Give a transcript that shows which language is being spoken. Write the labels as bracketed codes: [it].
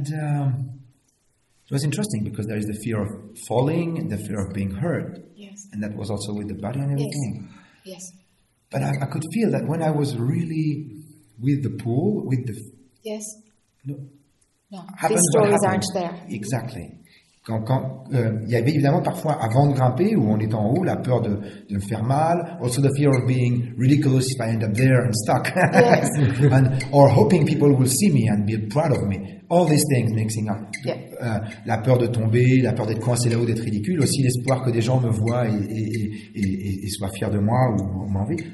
[en] It was interesting because there is the fear of falling, the fear of being hurt. Yes. And that was also with the body and everything. Yes. Yes. But I could feel that when I was really with the pool, with the... Yes. No. Happened, these stories aren't there. Exactly. [fr] Il y avait évidemment parfois, avant de grimper, où on est en haut, la peur de me faire mal. [en] Also the fear of being really close if I end up there and stuck. Yes. Or hoping people will see me and be proud of me. All these things mixing up. Yeah. [fr] La peur de tomber, la peur d'être coincé là-haut, d'être ridicule. Aussi l'espoir que des gens me voient et soient fiers de moi ou m'envient.